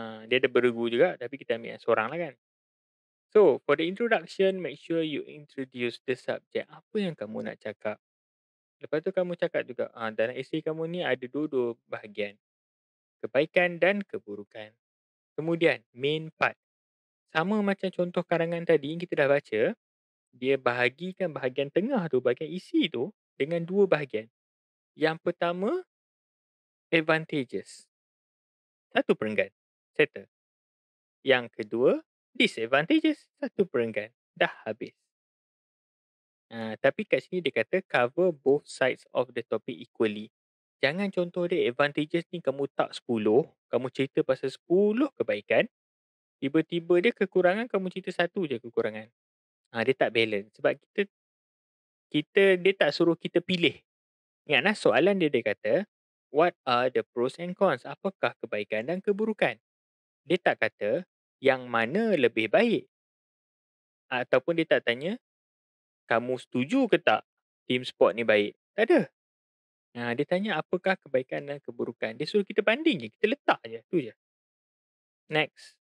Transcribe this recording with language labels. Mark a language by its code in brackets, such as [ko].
[ms] Dia ada beregu juga, tapi kita ambil seorang lah kan. [en] So, for the introduction, make sure you introduce the subject. [ms] Apa yang kamu nak cakap? Lepas tu kamu cakap juga, dalam essay kamu ni ada dua-dua bahagian. Kebaikan dan keburukan. Kemudian, main part. Sama macam contoh karangan tadi yang kita dah baca, dia bahagikan bahagian tengah tu, bahagian isi tu, dengan dua bahagian. Yang pertama, advantages. Satu perenggan. Settle. Yang kedua, disadvantages. Satu perenggan. Dah habis. Tapi kat sini dia kata [en] cover both sides of the topic equally. [ms] Jangan contoh dia advantages ni kamu tak 10. Kamu cerita pasal 10 kebaikan. Tiba-tiba dia kekurangan, kamu cerita satu je kekurangan. Dia tak balance. Sebab kita dia tak suruh kita pilih. Ingatlah soalan dia kata, [en] what are the pros and cons? [ms] Apakah kebaikan dan keburukan? Dia tak kata yang mana lebih baik. Ataupun dia tak tanya, kamu setuju ke tak team sport ni baik? Tak ada. Dia tanya apakah kebaikan dan keburukan. Dia suruh kita banding je. Kita letak je. Tu je. Next.